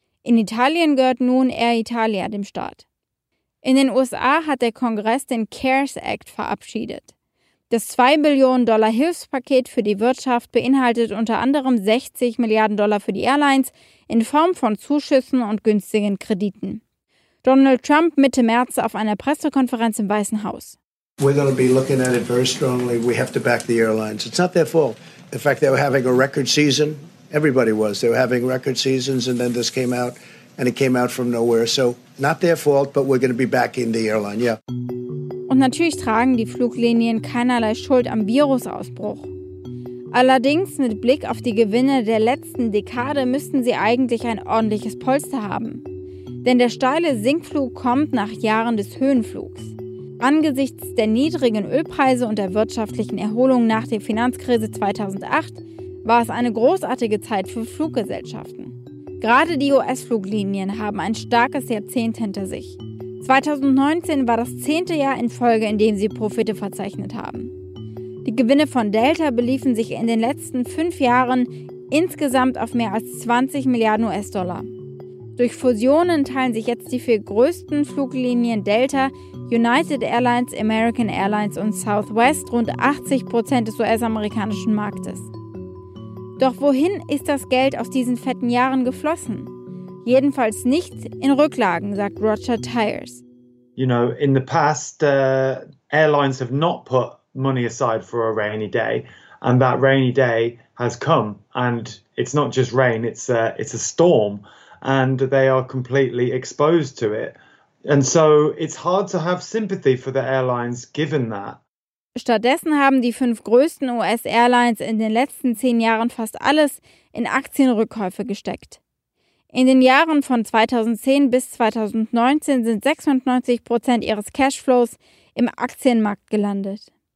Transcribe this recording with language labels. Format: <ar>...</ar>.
<de>In Italien gehört nun Air Italia dem Staat. In den USA hat der Kongress den CARES Act verabschiedet. Das 2 Billionen Dollar Hilfspaket für die Wirtschaft beinhaltet unter anderem 60 Milliarden Dollar für die Airlines in Form von Zuschüssen und günstigen Krediten. Donald Trump Mitte März auf einer Pressekonferenz im Weißen Haus.</de> <en>We're going to be looking at it very strongly. We have to back the airlines. It's not their fault. In fact, they were having a record season. Everybody was. They were having record seasons and then this came out and it came out from nowhere. So not their fault, but we're going to be backing the airline. Yeah.</en> <de>Und natürlich tragen die Fluglinien keinerlei Schuld am Virusausbruch. Allerdings mit Blick auf die Gewinne der letzten Dekade müssten sie eigentlich ein ordentliches Polster haben. Denn der steile Sinkflug kommt nach Jahren des Höhenflugs. Angesichts der niedrigen Ölpreise und der wirtschaftlichen Erholung nach der Finanzkrise 2008 war es eine großartige Zeit für Fluggesellschaften. Gerade die US-Fluglinien haben ein starkes Jahrzehnt hinter sich. 2019 war das 10. Jahr in Folge, in dem sie Profite verzeichnet haben. Die Gewinne von Delta beliefen sich in den letzten 5 Jahren insgesamt auf mehr als 20 Milliarden US-Dollar. Durch Fusionen teilen sich jetzt die 4 größten Fluglinien Delta, United Airlines, American Airlines und Southwest rund 80% des US-amerikanischen Marktes. Doch wohin ist das Geld aus diesen fetten Jahren geflossen? Jedenfalls nicht in Rücklagen, sagt Roger Tyers.</de> <en>You know, in the past, airlines have not put money aside for a rainy day. And that rainy day has come. And it's not just rain, it's a storm. And they are completely exposed to it. And so it's hard to have sympathy for the airlines given that.</en> <de>Stattdessen haben die 5 größten US-Airlines in den letzten 10 Jahren fast alles in Aktienrückkäufe gesteckt. In den Jahren von 2010 bis 2019 sind 96% ihres Cashflows im Aktienmarkt gelandet.</de>